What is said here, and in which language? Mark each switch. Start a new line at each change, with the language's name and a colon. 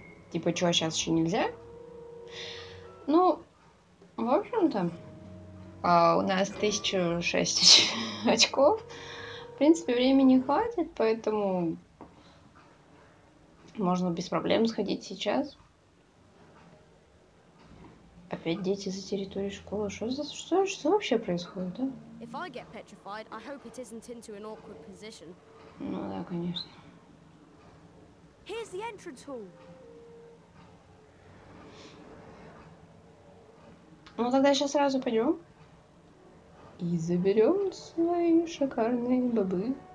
Russian: Типа, чего сейчас еще нельзя? Ну, в общем-то, у нас 1006 очков. В принципе, времени хватит, поэтому можно без проблем сходить сейчас. Опять дети за территорией школы. Что вообще происходит, да?
English: If I get petrified, I hope it isn't into an awkward position.
Russian: Ну да, конечно.
English: Here's the entrance hall.
Russian: Ну тогда сейчас сразу пойдем и заберем свои шикарные бобы.